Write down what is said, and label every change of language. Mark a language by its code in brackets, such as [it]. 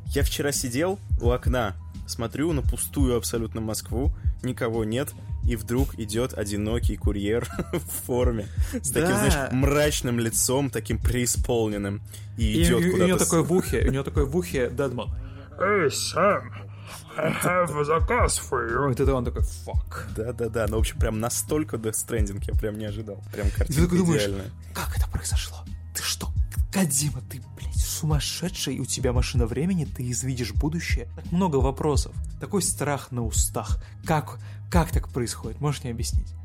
[ru] я вчера сидел у окна, смотрю на пустую абсолютно Москву, никого нет, и вдруг идет одинокий курьер в форме с таким, да, знаешь, мрачным лицом, таким преисполненным, и идет куда-то. У него такой в ухе, Дедман. [en] Эй, Сэм, I have a заказ for you. [ru] И тогда он такой, fuck. Да-да-да, ну, в общем, прям настолько Death Stranding я прям не ожидал. Прям картинка идеальная. Думаешь, как это произошло? Ты что, Кодзима, ты, блядь, сумасшедший, у тебя машина времени, ты извидишь будущее? Много вопросов, такой страх на устах. Как так происходит? Можешь мне объяснить?